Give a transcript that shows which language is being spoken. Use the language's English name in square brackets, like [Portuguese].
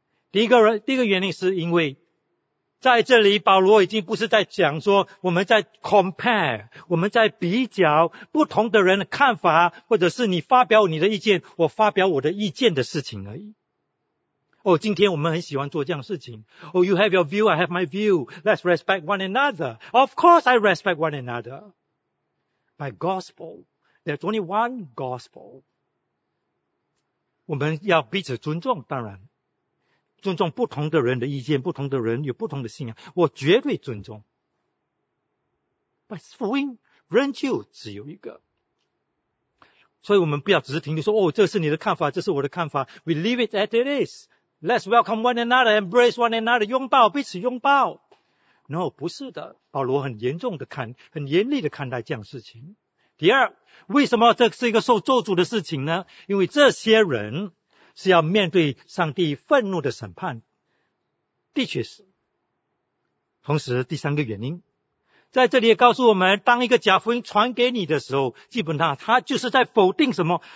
[Chinese] 第一个原因是因为在这里保罗已经不是在讲说我们在 compare， 我们在比较不同的人的看法，或者是你发表你的意见我发表我的意见的事情而已。哦，今天我们很喜欢做这样的事情。 [English] Oh, you have your view, I have my view. Let's respect one another. Of course I respect one another. My gospel, there's only one gospel. [Chinese] 我们要彼此尊重，当然尊重不同的人的意见，不同的人有不同的信仰，我绝对尊重。但福音仍旧只有一个。所以我们不要只是停留说，哦，这是你的看法，这是我的看法。 [English] We leave it as it is. Let's welcome one another, embrace one another, [Chinese] 拥抱，彼此拥抱。 [English] No, [Chinese] 不是的。保罗很严重的看，很严厉的看待这样的事情。第二，为什么这是一个受咒诅的事情呢？因为这些人是要面对上帝愤怒的审判，的确是。同时第三个原因在这里也告诉我们，当一个假福音传给你的时候，基本上他就是在否定什么？